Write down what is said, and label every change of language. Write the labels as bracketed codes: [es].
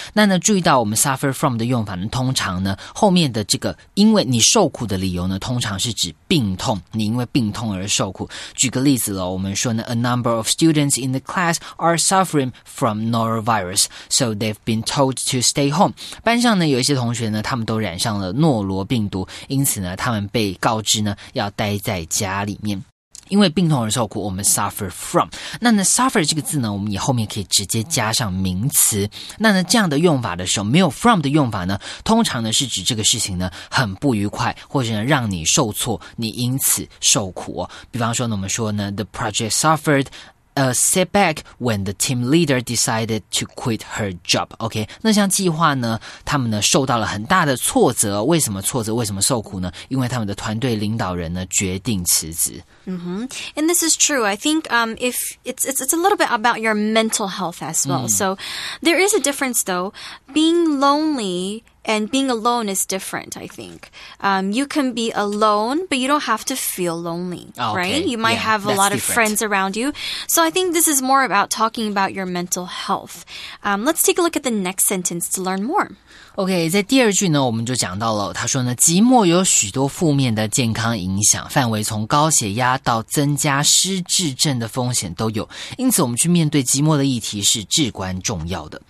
[zh] 那呢注意到我们 suffer from 的用法呢，通常呢后面的这个因为你受苦的理由呢，通常是指病痛，你因为病痛而受苦。举个例子咯，我们说呢 [en] a number of students in the class are suffering from norovirus, so they've been told to stay home. [zh] 班上呢有一些同学呢，他们都染上了诺罗病毒，因此呢他们被告知呢要待在家里面。因为病痛而受苦，我们 suffer from。那呢 suffer 这个字呢，我们以后面可以直接加上名词。那呢这样的用法的时候，没有 from 的用法呢，通常呢是指这个事情呢很不愉快，或者呢让你受挫，你因此受苦、哦、比方说呢，我们说呢 [en] the project sufferedA setback when the team leader decided to quit her job. [zh] OK, 那项计划呢，他们呢受到了很大的挫折。为什么挫折？为什么受苦呢？因为他们的团队领导人呢决定辞职。 [en] Mm-hmm. And this is true. I think if it's a little bit about your mental health as well.、Mm. So there is a difference though. Being lonely and being alone is different, I think. You can be alone, but you don't have to feel lonely, okay, right? You might yeah, have a lot of、 different. Friends around you. So I think this is more about talking about your mental health. Let's take a look at the next sentence to learn more. [zh] OK, 在第二句呢我们就讲到了，他说呢寂寞有许多负面的健康影响，范围从高血压到增加失智症的风险都有，因此我们去面对寂寞的议题是至关重要的。